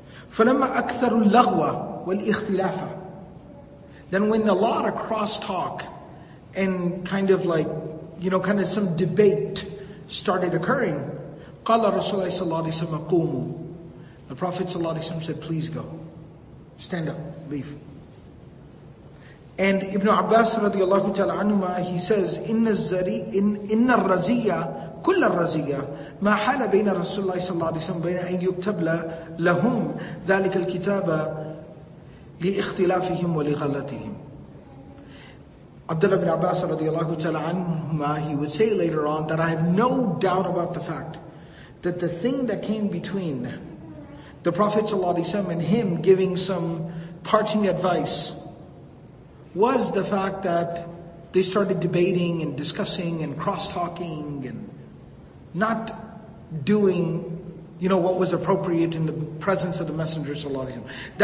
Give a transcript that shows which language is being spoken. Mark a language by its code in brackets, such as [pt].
[ar] فَلَمَّا أَكْثَرُ اللَّغْوَ وَالْإِخْتِلَافَ. [en] Then when a lot of crosstalk and kind of like, you know, kind of some debate started occurring. [ar] قَالَ رَسُولَ اللَّهِ صَلَّى اللَّهُ عَلَيْهِ وَسَلَّمَ قُومُوا. [en] The Prophet صلى الله عليه وسلم said, please go. Stand up, leave. And Ibn Abbas [ar] رضي الله تعالى عنهما, [en] he says, [ar] إِنَّ الرَّزِيَّةِ كُلَّ الرَّزِيَّةِ مَا حَالَ بَيْنَ رَسُولَ اللَّهِ صَلَّى اللَّهُ عَلَيْهِ وَسَلَّمَ بَيْنَ أَنْ يُكْتَبْلَ لَهُمْ ذَلِكَ الْكِتَابَ لِإِخْتِلَافِهِمْ وَلِغَلَّتِهِمْ. [en] Abdullah ibn Abbas radiallahu ta'ala anhumah, he would say later on that I have no doubt about the fact that the thing that came between the Prophet and him giving some parting advice was the fact that they started debating and discussing and cross-talking and not doing, you know, what was appropriate in the presence of the Messenger sallallahu alaihi wasallam.